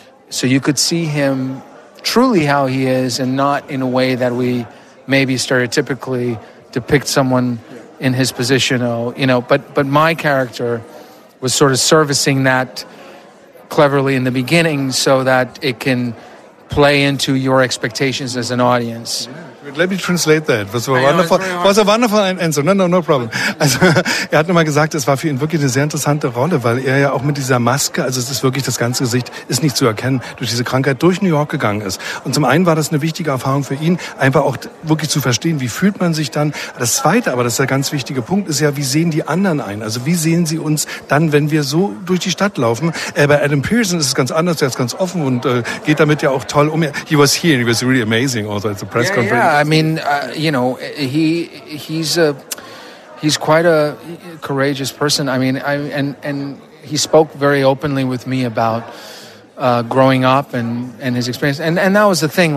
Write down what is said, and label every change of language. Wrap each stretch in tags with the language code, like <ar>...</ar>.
<en>so you could see him truly how he is, and not in a way that we maybe stereotypically depict someone in his position. Oh, you know, but my character was sort of servicing that cleverly in the beginning so that it can play into your expectations as an audience. Let me translate that. It was a wonderful answer. No problem.</en> <de>Also, er hat nochmal gesagt, es war für ihn wirklich eine sehr interessante Rolle, weil er ja auch mit dieser Maske, also es ist wirklich, das ganze Gesicht ist nicht zu erkennen, durch diese Krankheit durch New York gegangen ist. Und zum einen war das eine wichtige Erfahrung für ihn, einfach auch wirklich zu verstehen, wie fühlt man sich dann. Das zweite, aber das ist der ganz wichtige Punkt, ist ja, wie sehen die anderen ein? Also wie sehen sie uns dann, wenn wir so durch die Stadt laufen? Bei Adam Pearson ist es ganz anders, er ist ganz offen und geht damit ja auch toll um.</de> <en>He was here and he was really amazing also at the press conference. Yeah. I mean, you know, he's quite a courageous person. I mean, and he spoke very openly with me about growing up and his experience. And that was the thing.</en>